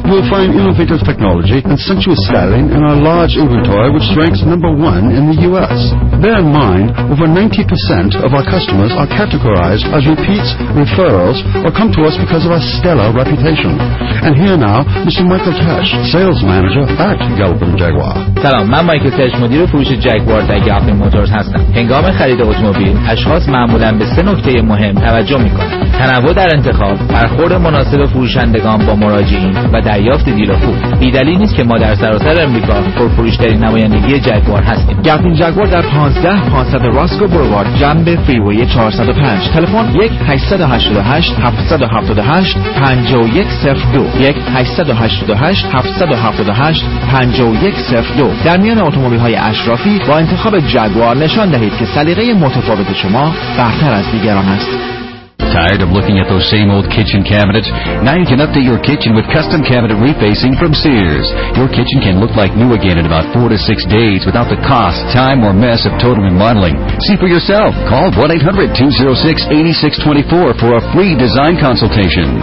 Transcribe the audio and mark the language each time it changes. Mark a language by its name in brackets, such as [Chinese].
[English] You will find innovative technology and sensuous styling in our large inventory, which ranks number one in the U.S. Bear in mind, over 90% of our customers are categorized as repeats, referrals, or come to us because of our stellar reputation. And here now, Mr. Michael Tesh, sales manager at Delvin Jaguar. [Persian] سلام، من مایکل تش، مدیر فروش جگوار در گلفین موتورز هستم. هنگام خرید اتومبیل، اشخاص معمولاً به سه نکته مهم توجه میکنه: تنوع در انتخاب، برخورد مناسب فروشندگان با مراجعین و دریافت دیل خوب. بی‌دلیل نیست که ما در سراسر آمریکا پرفروش‌ترین نمایندگی جگوار هستیم. گلفین جگوار در 15500 راسکو بروارد جنب فریوی 405، تلفن 1-888-778-5102، 1-888-778-5102. در میان اتومبیل‌های اشرافی با انتخاب جگوار نشان دهید که سلیقه متفاوت شما برتر از دیگران است. [English] Tired of looking at those same old kitchen cabinets? Now you can update your kitchen with custom cabinet refacing from Sears. Your kitchen can look like new again in about 4 to 6 days without the cost, time, or mess of total remodeling. See for yourself. Call 1-800-206-8624 for a free design consultation.